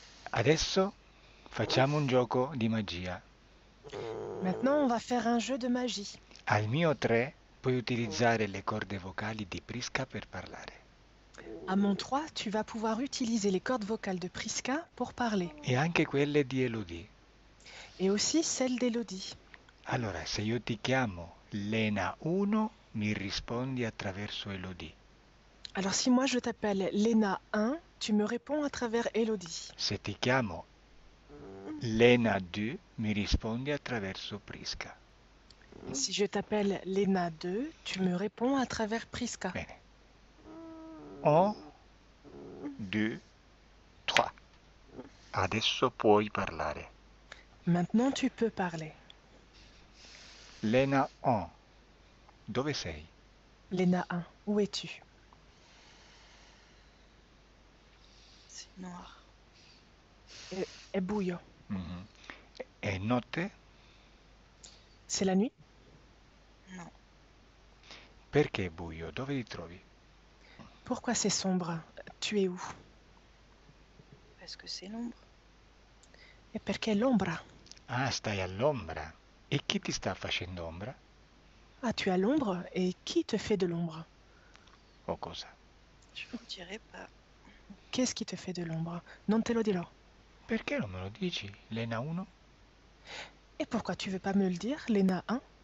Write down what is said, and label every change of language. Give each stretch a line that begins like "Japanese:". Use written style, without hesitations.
Italian: Adesso facciamo un gioco di magia.
French: Maintenant, on va faire un jeu de magie.
Italian: Al mio 3 puoi utilizzare le corde vocali di Prisca per parlare.
French: À mon 3, tu vas pouvoir utiliser les cordes vocales de Prisca pour parler.
Italian: E anche quelle di Elodie.
French: Et aussi celle d'Elodie.
Italian: Allora, se io ti chiamo Lena 1, mi rispondi attraverso Elodie.
French: Alors si moi je t'appelle Lena 1, tu me réponds à travers Elodie.
Italian: Se ti chiamo Lena 2, mi rispondi attraverso Prisca.
French: Si je t'appelle Lena 2, tu me réponds à travers Prisca.
Italian: Bene. Un, due, tre. Adesso puoi parlare.
French: Maintenant tu peux parler.
Italian: Lena, un, dove sei?
French: Lena 1, où es-tu? C'est noir.
Italian: È buio. È notte?
French: C'est la nuit? Non.
Italian: Perché è buio? Dove li trovi?
French: Pourquoi c'est sombre? Tu es où? Parce que c'est l'ombre.
Italian: E perché l'ombra? Ah, stai all'ombra. E chi ti sta facendo ombra? O
French: Ah, tu as l'ombre et qui te fait de l'ombre?
Italian: cosa?
French: Je vous dirai pas. Qu'est-ce qui te fait de l'ombre?
Italian: Non te lo dirò. Perché non me lo dici, Lena 1?
French: Et pourquoi tu veux pas me le dire, Lena 1?